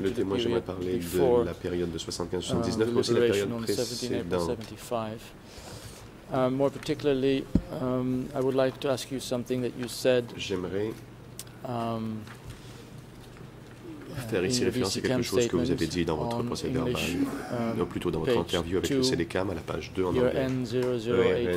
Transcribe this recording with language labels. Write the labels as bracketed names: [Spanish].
[French] le témoin, j'aimerais parler de la période de 75-79, mais aussi la période précédente. [English] More particularly, I would like to ask you something that you said. [French] J'aimerais faire ici référence à quelque chose que vous avez dit dans votre procès verbal, ou plutôt dans votre interview avec le CDCAM à la page 2 en anglais.